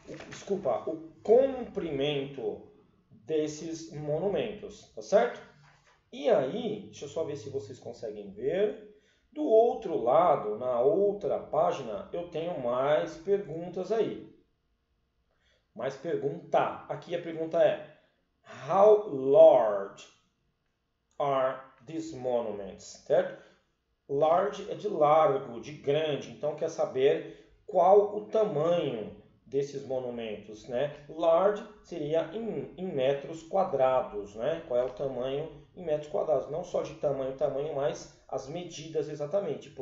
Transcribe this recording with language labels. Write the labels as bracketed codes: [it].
[pt] Desculpa, o comprimento desses monumentos, tá certo? E aí, deixa eu só ver se vocês conseguem ver. Do outro lado, na outra página, eu tenho mais perguntas aí. Mais pergunta. Aqui a pergunta é: [en] How large are these monuments? [pt] Certo? Large é de largo, de grande. Então, quer saber qual o tamanho desses monumentos, né? Large seria em metros quadrados, né? Qual é o tamanho em metros quadrados? Não só de tamanho, mas as medidas exatamente.